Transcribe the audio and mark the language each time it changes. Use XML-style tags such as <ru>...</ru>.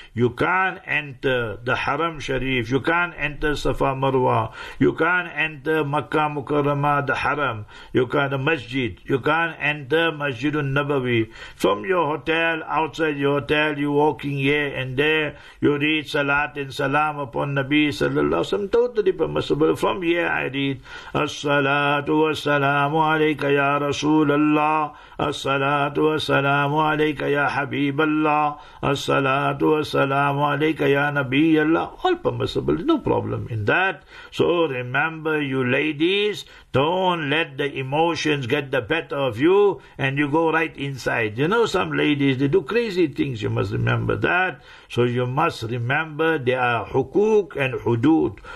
<en>You can't enter the Haram Sharif. You can't enter Safa Marwa. You can't enter Makkah Mukarrama, the Haram. You can't enter Masjid. You can't enter Masjid al-Nabawi. From your hotel, outside your hotel, you're walking here and there. You read Salat and Salam upon Nabi Sallallahu Alaihi Wasallam. Totally permissible. From here I read</en> <ar>As-salatu was-salamu alayka ya Rasulallah, الصلاة والسلام عليك يا حبيب الله الصلاة والسلام عليك يا نبي الله.</ar> <en>All permissible, no problem in that. So remember, you ladies, don't let the emotions get the better of you and you go right inside. You know, some ladies, they do crazy things. You must remember that. So you must remember there are hukuk and hudud.</en>